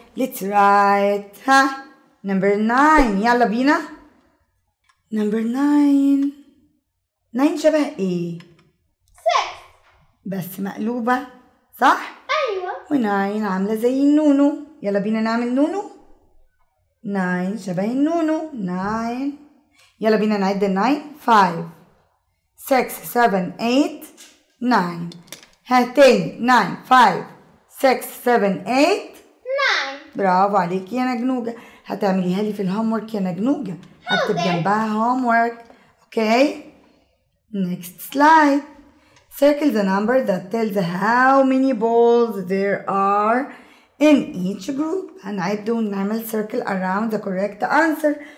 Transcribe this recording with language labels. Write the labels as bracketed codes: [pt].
[en] let's write ها number 9. [ar] يلا بينا [en] number 9. [ar] 9 شبه ايه؟ بس مقلوبة صح؟ ايوه. وناين عاملة زي النونو. يلا بينا نعمل نونو. ناين شبه النونو. ناين. يلا بينا نعد الناين. 5 6 7 8 9. هاتين ناين 5 6 7 8 9. برافو عليك يا نجنوجة. هتعمليها لي في الهومورك يا نجنوجة. هكتب جنبها هومورك. [en] Okay next slide. Circle the number that tells how many balls there are in each group. [ar] هنعد ونعمل [en] circle around the correct answer.